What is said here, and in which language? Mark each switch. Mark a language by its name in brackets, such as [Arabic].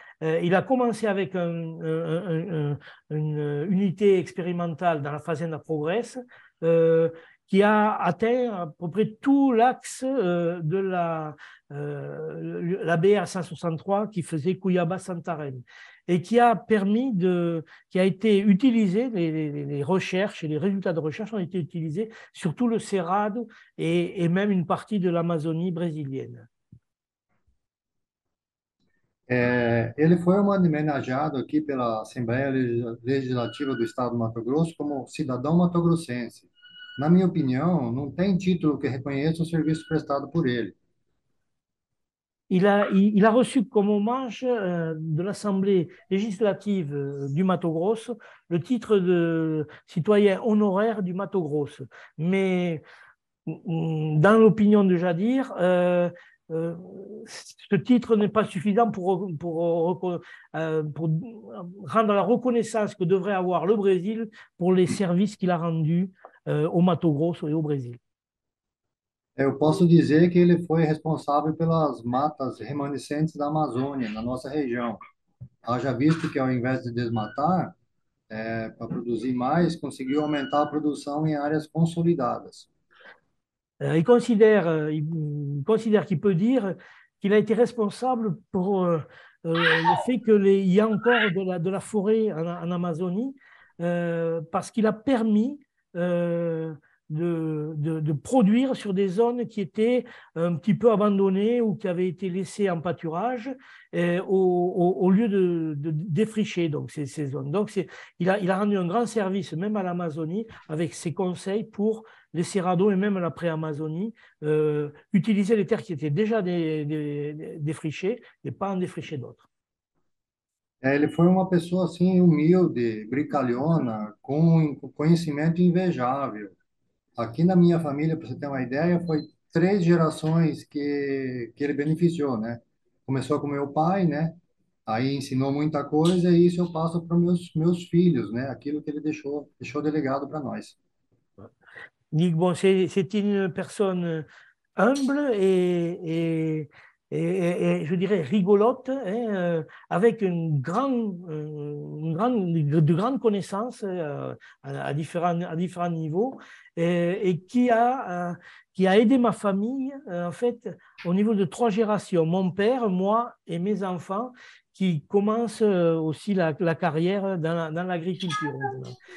[French] Il a commencé avec une unité expérimentale dans la Fazenda Progresso qui a atteint à peu près tout l'axe de la BR-163 qui faisait Cuiabá-Santarém. Et qui a été utilisé, les recherches et les résultats de recherche ont été utilisés sur tout le Cerrado et même une partie de l'Amazonie brésilienne. [Portuguese] Ele foi homenageado aqui pela Assembleia Legislativa do Estado do Mato Grosso como cidadão mato-grossense. Na minha opinião, não tem título que reconheça o serviço prestado por ele. [French] Il a reçu comme hommage de l'Assemblée législative du Mato Grosso le titre de citoyen honoraire du Mato Grosso. Mais dans l'opinion de Jadir, ce titre n'est pas suffisant pour rendre la reconnaissance que devrait avoir le Brésil pour les services qu'il a rendus au Mato Grosso et au Brésil. [Portuguese] Eu posso dizer que ele foi responsável pelas matas remanescentes da Amazônia, na nossa região. Haja visto que, ao invés de desmatar, para produzir mais, conseguiu aumentar a produção em áreas consolidadas. [French] Il considère qu'il peut dire qu'il a été responsable pour le fait qu'il y a encore de la forêt en Amazonie, parce qu'il a permis de produire sur des zones qui étaient un petit peu abandonnées ou qui avaient été laissées en pâturage au lieu de défricher donc ces zones. Donc, il a rendu un grand service, même à l'Amazonie, avec ses conseils pour les Cerrados et même la pré-Amazonie, utiliser les terres qui étaient déjà défrichées et pas en défricher d'autres. [Portuguese] Ele foi uma pessoa assim humilde, brincalhona, com conhecimento invejável. Aqui na minha família, para você ter uma ideia, foi três gerações que ele beneficiou, né? Começou com meu pai, né? Aí ensinou muita coisa e isso eu passo para meus filhos, né? Aquilo que ele deixou delegado para nós. [French] Bon, c'est une personne humble et je dirais rigolote, hein, avec de grandes connaissances à différents niveaux et qui a aidé ma famille en fait au niveau de trois générations, mon père, moi et mes enfants qui commencent aussi la carrière dans l'agriculture maintenant.